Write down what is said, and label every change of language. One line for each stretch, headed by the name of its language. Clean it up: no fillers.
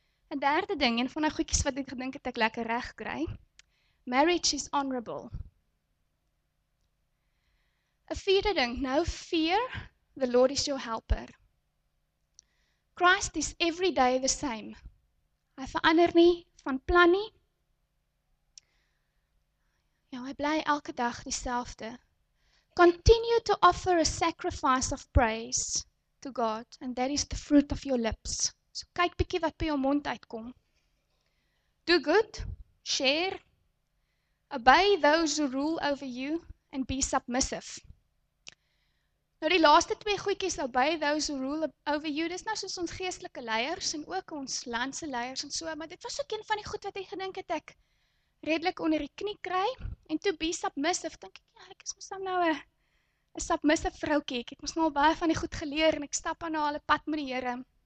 Afrikaans: 'n Derde ding, een van die goedjies wat ek gedink het ek lekker reg kry.
English: Marriage is honorable.
Afrikaans: 'n Vierde ding,
English: no fear, the Lord is your helper. Christ is every day the same.
Afrikaans: Hy verander nie van plan nie. Ja, hy bly elke dag dieselfde.
English: Continue to offer a sacrifice of praise to God, and that is the fruit of your lips.
Afrikaans: So kyk bietjie wat by jou mond uitkom.
English: Do good, share, obey those who rule over you, and be submissive.
Afrikaans: Nou die laaste 2 goedjies,
English: obey those who rule over you,
Afrikaans: dis nou soos ons geestelike leiers, en ook ons landse leiers en so, maar dit was ook een van die goed wat hy gedink het ek, redelik onder die knie kry, en
English: to be submissive,
Afrikaans: dink ek, ja, ek is mos nou een submissive vroukie, ek het mos nou al baie van die goed geleer, en ek stap aan al een pad met die Here.